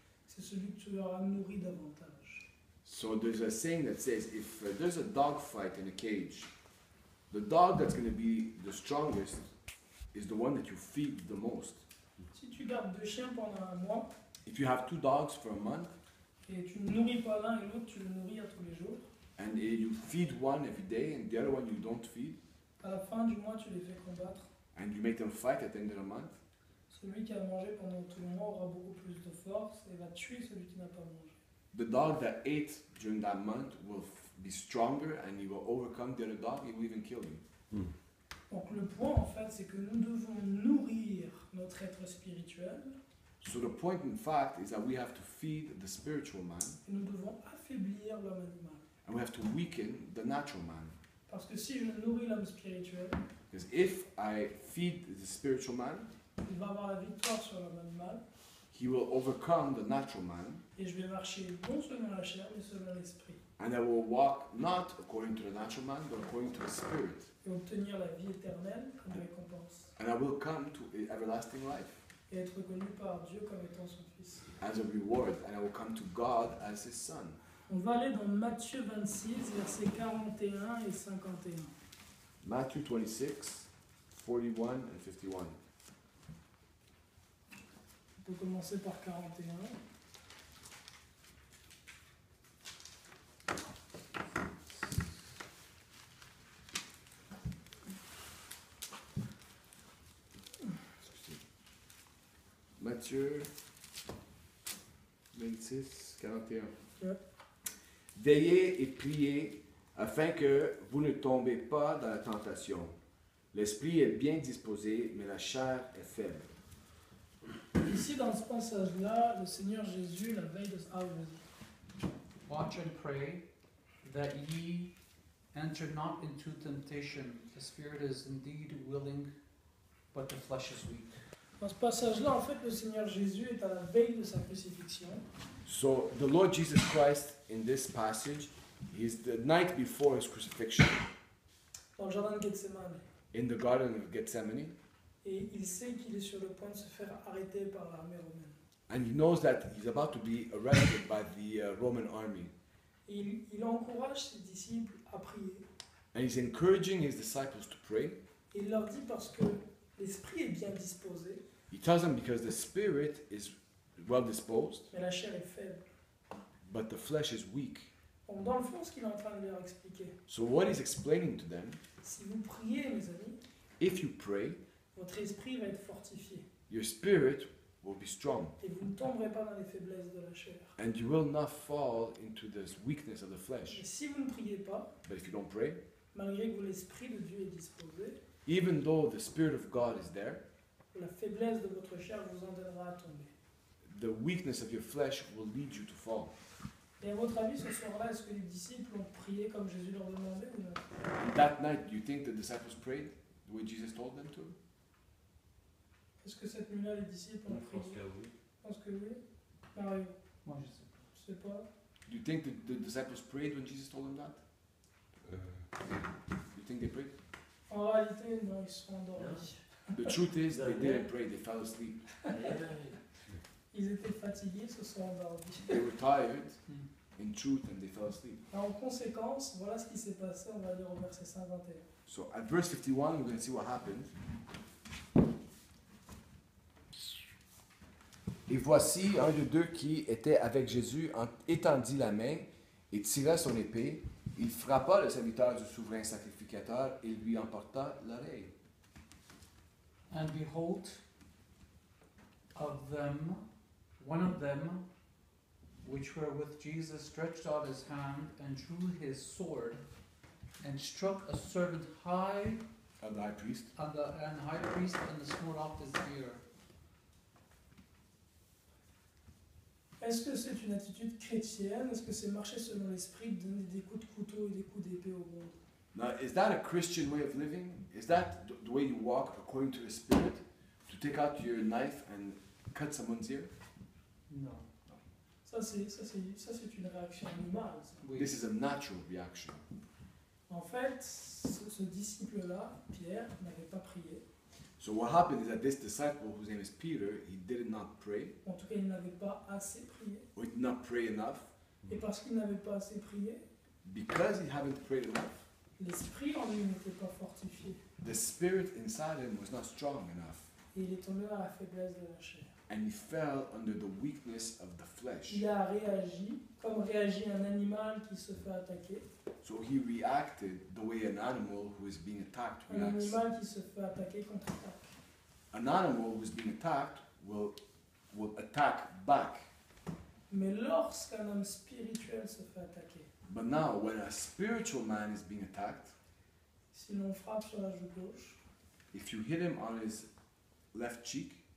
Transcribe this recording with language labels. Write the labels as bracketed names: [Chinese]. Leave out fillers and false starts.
[French] C'est celui que tu auras nourri davantage. [English] So there's a saying that says if there's a dog fight in a cage, the dog that's going to be the strongest is the one that you feed the most. [French] Si tu gardes deux chiens pendant un mois, [English] if you have two dogs for a month, [French] et tu nourris pas l'un et l'autre, tu le nourris à tous les jours, [English] and you feed one every day and the other one you don't feed. [French] À la fin du mois, tu les fais combattre. [English] And you make them fight at the end of the month. [French] Celui qui a mangé pendant tout le mois aura beaucoup plus de force et va tuer celui qui n'a pas mangé. [English] The dog that ate during that month will be stronger and he will overcome the other dog. He will even kill him. [French] Donc le point en fait, c'est que nous devons nourrir notre être spirituel. [English] So the point in fact is that we have to feed the spiritual man. [French] Et nous devons affaiblir l'homme animal. [English] And we have to weaken the natural man. [French] Parce que si je nourris l'homme spirituel, [English] because if I feed the spiritual man, [French] il va avoir la victoire sur l'homme animal. [English] He will overcome the natural man. [French] Et je vais marcher non selon la chair mais selon l'esprit. [English] And I will walk not according to the natural man but according to the spirit. [French] Et obtenir la vie éternelle comme récompense. [English] And I will come to everlasting life. [French] Et être reconnu par Dieu comme étant son fils. [English] As a reward, and I will come to God as his son. [French] On va aller dans Matthieu 26, versets 41 et 51. Matthieu 26, 41 et 51. On peut commencer par 41. Matthieu 26, 41. Ouais. Veillez et priez afin que vous ne tombez pas dans la tentation. L'esprit est bien disposé, mais la chair est faible. Ici, dans ce passage-là, le Seigneur Jésus, la veille de sa vie. [English] Watch and pray that ye enter not into temptation. The spirit is indeed willing, but the flesh is weak. [French] Dans ce passage-là, en fait, le Seigneur Jésus est à la veille de sa crucifixion. [English] So, the Lord Jesus Christ, in this passage, is the night before his crucifixion. [French] Dans le jardin de Gethsemane. [English] In the garden of Gethsemane. [French] Et il sait qu'il est sur le point de se faire arrêter par l'armée romaine. [English] And he knows that he's about to be arrested by the Roman army. [French] Et il encourage ses disciples à prier. [English] And he's encouraging his disciples to pray. [French] Et il leur dit parce que l'esprit est bien disposé. [English] He tells them because the spirit is well disposed. [French] Mais la chair est faible. [English] But the flesh is weak. [French] Donc dans le fond, ce qu'il est en train de leur expliquer. [English] So what he's explaining to them? [French] Si vous priez, mes amis. [English] If you pray, [French] votre esprit va être fortifié. [English] Your spirit will be strong. [French] Et vous ne tomberez pas dans les faiblesses de la chair. [English] And you will not fall into the weakness of the flesh. [French] Et si vous ne priez pas, [English] but if you don't pray, [French] malgré que l'esprit de Dieu est disposé. [English] Even though the Spirit of God is there, [French] la faiblesse de votre chair vous entraînera à tomber. [English] The weakness of your flesh will lead you to fall. [French] Et à votre avis, ce soir-là, est-ce que les disciples ont prié comme Jésus leur demandait ou non? [English] And that night, do you think the disciples prayed the way Jesus told them to? [French] Est-ce que cette nuit-là, les disciples ont prié? Je pense que oui. Mario? Moi, je ne sais pas. [English] Do you think the disciples prayed when Jesus told them that? You think they prayed? [French] En réalité, non, ils sont endormis. [English] The truth is, they didn't pray, they fell asleep. [French] Ils étaient fatigués, se sont endormis. [English] They were tired, in truth, and they fell asleep. [French] En conséquence, voilà ce qui s'est passé, on va aller au verset 51. [English] So, at verse 51, we're going to see what happened. [French] Et voici un de deux qui était avec Jésus, étendit la main et tira son épée. Il frappa le serviteur du souverain sacrificateur et lui emporta l'oreille. [English] And behold, of them, one of them, which were with Jesus, stretched out his hand and drew his sword and struck a servant high of the high priest and the high priest and the smote off his ear. [French] Est-ce que c'est une attitude chrétienne? Est-ce que c'est marcher selon l'esprit, de donner des coups de couteau et des coups d'épée au monde? [English] Now, is that a Christian way of living? Is that the way you walk according to the Spirit, to take out your knife and cut someone's ear? [French] Non. Ça c'est une réaction animale. Oui. [English] This is a natural reaction. [French] En fait, ce disciple-là, Pierre, n'avait pas prié. [English] So what happened is that this disciple, whose name is Peter, he did not pray. [French] En tout cas, il n'avait pas assez prié. [English] Or he did not pray enough. [French] Et parce qu'il n'avait pas assez prié, [English] because he hadn't prayed enough, [French] l'esprit en lui n'était pas fortifié. [English] The spirit inside him was not strong enough. [French] Et il est tombé dans la faiblesse de la chair. [English] And he fell under the weakness of the flesh. [French] Il a réagi comme réagit un animal qui se fait attaquer. [English] So he reacted the way an animal who is being attacked reacts. [French] Un animal qui se fait attaquer contre-attaque. [English] An animal who is being attacked will attack back. [French] Mais lorsqu'un homme spirituel se fait attaquer. [English] But now, when a spiritual man is being attacked, [French] si l'on frappe sur la joue gauche, [English] if you hit him on his left cheek,